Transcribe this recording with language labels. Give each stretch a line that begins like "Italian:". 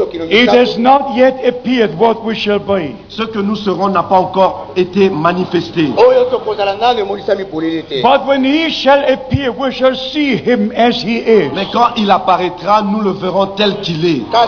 English: It is not yet appeared what we shall be.
French: Ce que nous serons n'a pas encore été manifesté.
English: But when he shall appear, we shall see him as he is.
French: Mais quand il apparaîtra, nous le verrons tel qu'il est.